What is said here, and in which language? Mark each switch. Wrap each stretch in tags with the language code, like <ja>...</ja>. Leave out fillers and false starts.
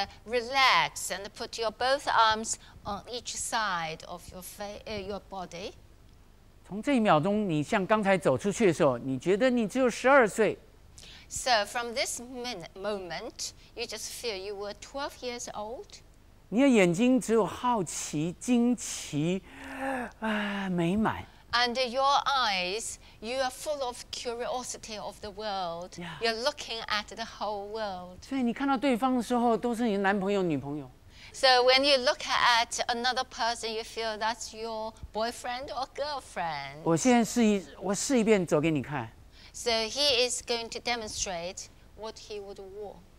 <en>relax and put your both arms on each side of your face, your body.</en> <zh>从这一秒钟，你像刚才走出去的时候，你觉得你只有十二岁。</zh> <en>So from this moment, you just feel you were 12 years old.</en> <zh>你的眼睛只有好奇、惊奇、美满。</zh> <en>And your eyes, you are full of curiosity of the world. Yeah. You're looking at the whole world.</en> <zh>所以你看到对方的时候，都是你的男朋友、女朋友。</zh> <en>So when you look at another person, you feel that's your boyfriend or girlfriend.</en> <zh>我现在试一遍走给你看。</zh> <en>So he is going to demonstrate what he would walk.</en>